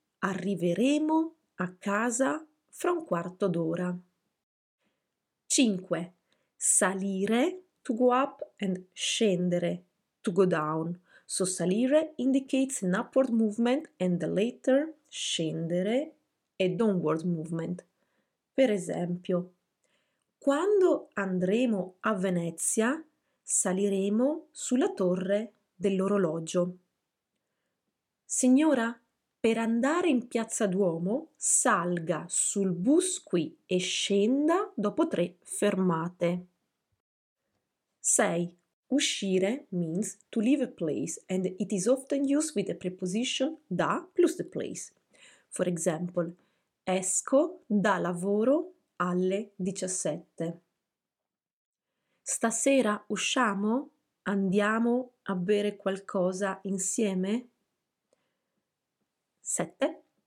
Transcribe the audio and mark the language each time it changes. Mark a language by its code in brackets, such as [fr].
[it] Arriveremo a casa fra un quarto d'ora. 5. [en] Salire, to go up, and scendere, to go down. So salire indicates an upward movement and the later, scendere, a downward movement. [it] Per esempio, quando andremo a Venezia, saliremo sulla torre dell'orologio. Signora, per andare in Piazza Duomo, salga sul bus qui e scenda dopo 3 fermate. 6. [en] Uscire means to leave a place and it is often used with the preposition da plus the place. For example, [it] esco da lavoro alle 17. Stasera usciamo? Andiamo a bere qualcosa insieme? 7.